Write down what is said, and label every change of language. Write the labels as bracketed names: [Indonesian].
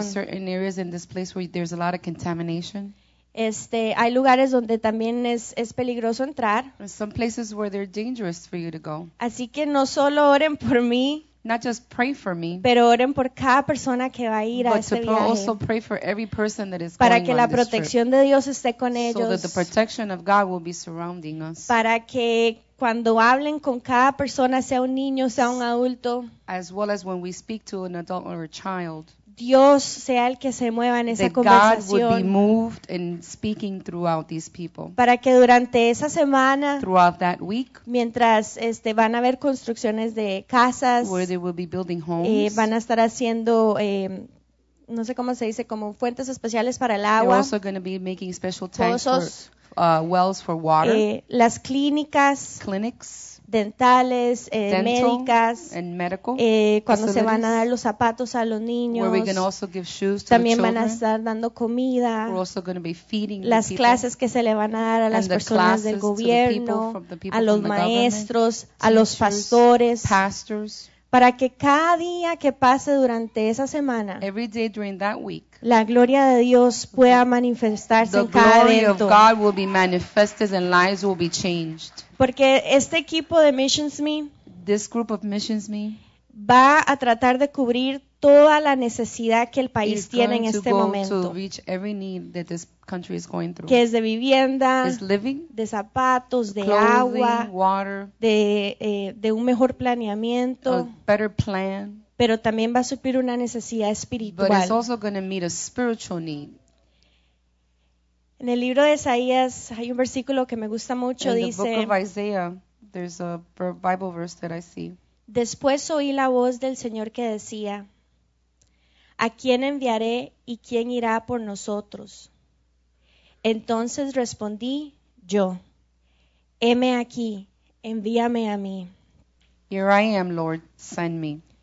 [English] There's certain areas in this place where there's a lot of contamination. [Spanish] Hay lugares donde también es peligroso entrar. [English] Some places where they're dangerous for you to go. [Spanish] Así que no solo oren por mí. [English] Not just pray for me. [Spanish] Pero oren por cada persona que va a ir a este viaje. [English] But also pray for every person that is going on this trip. [Spanish] Para que la protección de Dios esté con ellos. [English] So that the protection of God will be surrounding us. [Spanish] Para que cuando hablen con cada persona, sea un niño, sea un adulto. [English] As well as when we speak to an adult or a child. [Spanish] Dios sea el que se mueva en esa [English] that [Spanish] conversación. [English] God would be moved in speaking throughout these people. [Spanish] Para que durante esa semana, [English] throughout that week, [Spanish] mientras van a haber construcciones de casas, [English] where they will be building homes, [Spanish] van a estar haciendo, no sé cómo se dice, como fuentes especiales para el agua. [English] They're also going to be making special tanks for wells for water. [Spanish] Las clínicas. [English] Clinics. [Spanish] Dentales, [English] dental, [Spanish] médicas, [English] and medical [Spanish] cuando se van a dar los zapatos a los niños, [English] where we can also give shoes to [Spanish] también [English] the children, [Spanish] van a estar dando comida, [English] we're also going to be feeding [Spanish] las [English] the [Spanish] clases [English] people, [Spanish] que se le van a dar a las personas del gobierno, [English] to the people, from the people [Spanish] a los maestros, a los pastores, [English] pastors, [Spanish] para que cada día que pase durante esa semana, [English] every day during that week, [Spanish] la gloria de Dios pueda manifestarse en cada evento. [English] The glory of God will be manifested and lives will be changed. [Spanish] Porque este equipo de Missions Me, [English] this group of Missions Me, [Spanish] va a tratar de cubrir toda la necesidad que el país tiene en este momento. [English] To reach every need that this country is going through. [Spanish] Que es de vivienda, [English] is living, [Spanish] de zapatos, de [English] clothing, [Spanish] agua, [English] water, [Spanish] de un mejor planeamiento, [English] a better plan, [Spanish] pero también va a suplir una necesidad espiritual. [English] But it's also going to meet a spiritual need. [Spanish] En el libro de Isaías hay un versículo que me gusta mucho, dice, [English] in the book of Isaiah, there's a Bible verse that I see. [Spanish] Después oí la voz del Señor que decía, ¿a quién enviaré y quién irá por nosotros? Entonces respondí, yo, heme aquí, envíame a mí. [English] Here I am, Lord, send me.